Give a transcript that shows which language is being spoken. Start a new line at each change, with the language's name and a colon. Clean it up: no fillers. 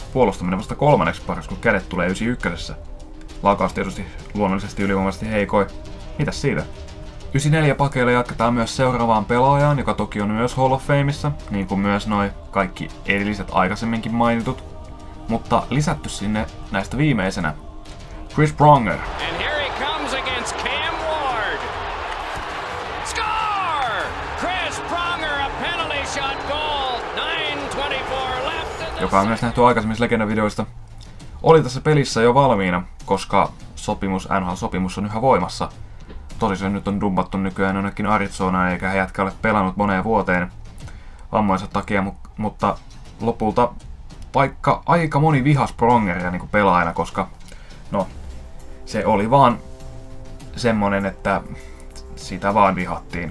Finnish: Puolustaminen vasta kolmanneksi paras, kun kädet tulee 91. Laukaus tietysti luonnollisesti ylivoimaisesti heikoi. Mitäs siitä? 94 pakeilla jatketaan myös seuraavaan pelaajaan, joka toki on myös Hall of Famessa, niin kuin myös noi kaikki edelliset aikaisemminkin mainitut. Mutta lisätty sinne näistä viimeisenä. Chris Pronger.
English: And here he comes against Cam Ward. Score! Chris Pronger, a penalty shot goal. 9:24 left.
Finnish: Joka on myös nähty aikaisemmissa legendavideoista. Oli tässä pelissä jo valmiina, koska sopimus, NHL-sopimus on yhä voimassa. Tosi se nyt on dumpattu nykyään ainakin Arizonaan, eikä he jätkä ole pelannut moneen vuoteen vammoinsa takia, mutta lopulta vaikka aika moni vihas Prongeria niin kuin pelaajana, koska no, se oli vaan semmonen, että sitä vaan vihattiin.